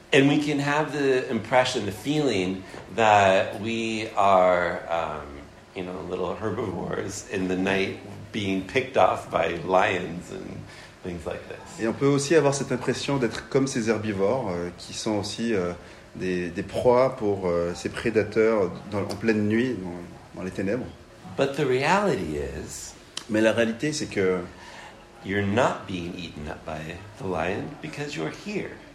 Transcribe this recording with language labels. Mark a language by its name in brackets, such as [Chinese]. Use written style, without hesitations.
[English] And we can have the impression, the feeling that we are, little herbivores in the night, being picked off by lions and things like this. [French] Et on peut aussi avoir cette impression d'être comme ces herbivores qui sont aussi des proies pour ces prédateurs en pleine nuit, dans les ténèbres. [English] But the reality is, [French] mais la réalité, c'est que [English] you're not being eaten up by the lion because you're here.